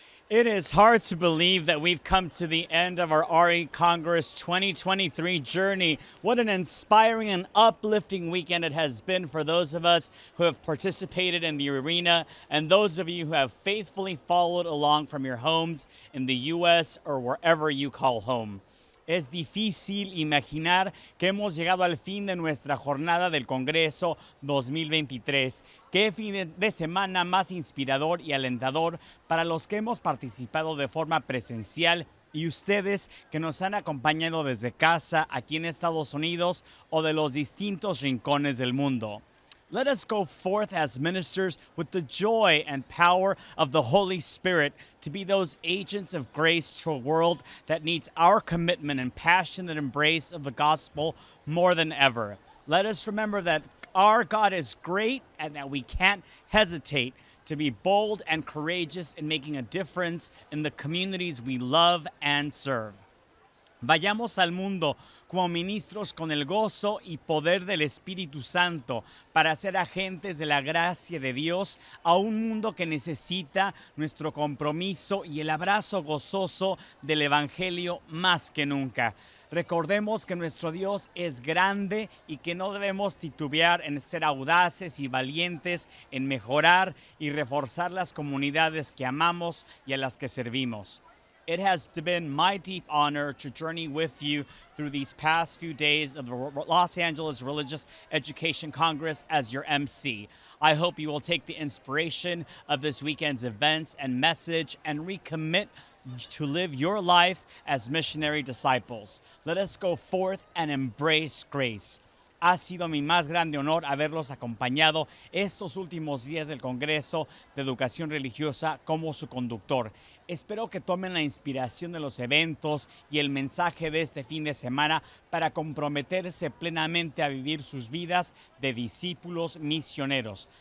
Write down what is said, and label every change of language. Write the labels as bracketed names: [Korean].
[English] It is hard to believe that we've come to the end of our RE Congress 2023 journey. What an inspiring and uplifting weekend it has been for those of us who have participated in the arena and those of you who have faithfully followed along from your homes in the U.S. or wherever you call home. [Spanish] Es difícil imaginar que hemos llegado al fin de nuestra jornada del Congreso 2023. Qué fin de semana más inspirador y alentador para los que hemos participado de forma presencial y ustedes que nos han acompañado desde casa aquí en Estados Unidos o de los distintos rincones del mundo. [English] Let us go forth as ministers with the joy and power of the Holy Spirit to be those agents of grace to a world that needs our commitment and passionate embrace of the gospel more than ever. Let us remember that our God is great and that we can't hesitate to be bold and courageous in making a difference in the communities we love and serve. [Spanish] Vayamos al mundo como ministros con el gozo y poder del Espíritu Santo para ser agentes de la gracia de Dios a un mundo que necesita nuestro compromiso y el abrazo gozoso del Evangelio más que nunca. Recordemos que nuestro Dios es grande y que no debemos titubear en ser audaces y valientes en mejorar y reforzar las comunidades que amamos y a las que servimos. [English] It has been my deep honor to journey with you through these past few days of the Los Angeles Religious Education Congress as your MC. I hope you will take the inspiration of this weekend's events and message and recommit to live your life as missionary disciples. Let us go forth and embrace grace. [Spanish] Ha sido mi más grande honor haberlos acompañado estos últimos días del Congreso de Educación Religiosa como su conductor. Espero que tomen la inspiración de los eventos y el mensaje de este fin de semana para comprometerse plenamente a vivir sus vidas de discípulos misioneros.